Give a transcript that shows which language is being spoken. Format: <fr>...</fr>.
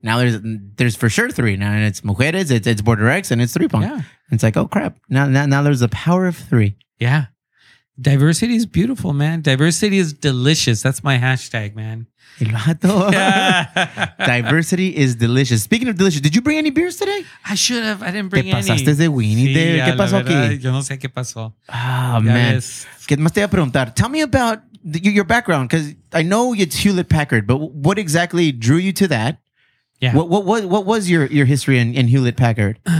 <en>Now there's for sure three. Now and it's Mujeres, it's Border X, and it's 3Punk. Yeah. And it's like, oh, crap. Now there's the power of three. Yeah. Diversity is beautiful, man. Diversity is delicious. That's my hashtag, man.</en> <es>El vato. Yeah.</es> <en>Diversity is delicious. Speaking of delicious, did you bring any beers today? I should have. I didn't bring any.</en> <es>¿Te pasaste de weenie there? ¿Qué pasó aquí? Yo no sé qué pasó.</es> <en>Ah, man.</en> <es>¿Qué más te voy a preguntar?</es> <en>Tell me about your background, because I know it's Hewlett-Packard, but what exactly drew you to that? Yeah. What was your history in Hewlett-Packard?</en>